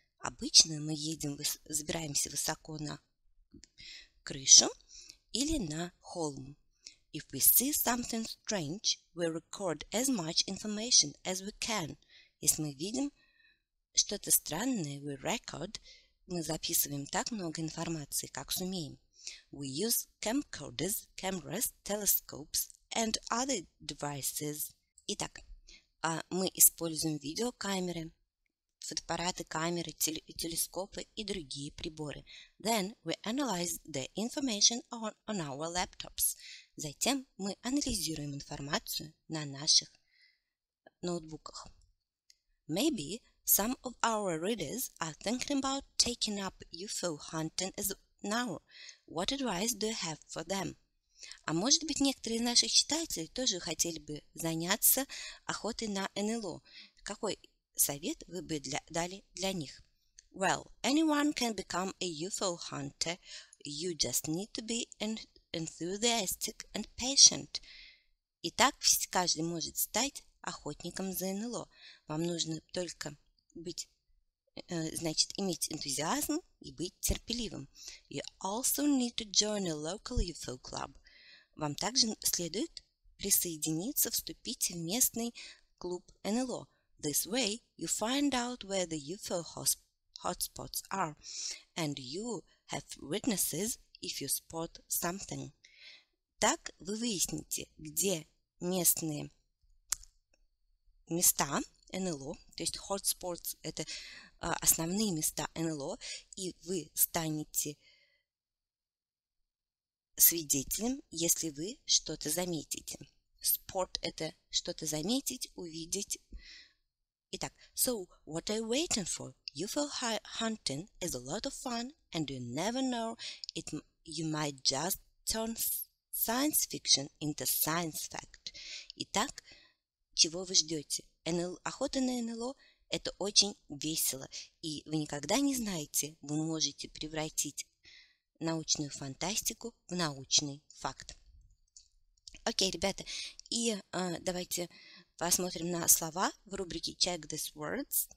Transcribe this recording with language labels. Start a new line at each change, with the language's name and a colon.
Russian: Обычно мы едем, забираемся высоко на крышу или на холм.
English: If we see something strange, we record as much information as we can.
Russian: Если мы видим что-то странное,
English: we record,
Russian: мы записываем так много информации, как сумеем.
English: We use camcorders, cameras, telescopes and other devices.
Russian: Итак, мы используем видеокамеры, фотоаппараты, камеры, телескопы и другие приборы.
English: Then we analyze the information on our laptops.
Russian: Затем мы анализируем информацию на наших ноутбуках.
English: Maybe some of our readers are thinking about taking up UFO hunting as now. What advice do you have for them?
Russian: А может быть, некоторые из наших читателей тоже хотели бы заняться охотой на НЛО. Какой совет вы бы дали для них?
English: Well, anyone can become a UFO hunter. You just need to be enthusiastic and patient.
Russian: Итак, каждый может стать охотником за НЛО. Вам нужно только иметь энтузиазм и быть терпеливым.
English: You also need to join a local UFO club.
Russian: Вам также следует присоединиться, вступить в местный клуб НЛО.
English: This way you find out where the UFO hotspots are, and you have witnesses if you spot something.
Russian: Так вы выясните, где местные места НЛО, то есть hotspots – это основные места НЛО, и вы станете свидетелем, если вы что-то заметите. Spot – это что-то заметить, увидеть. Итак,
English: so what are you waiting for? UFO hunting is a lot of fun, and you never know, you might just turn science fiction into science fact.
Russian: Итак, чего вы ждете? Охота на НЛО – это очень весело, и вы никогда не знаете, вы можете превратить научную фантастику в научный факт. Окей, ребята, и давайте посмотрим на слова в рубрике
English: Check these words.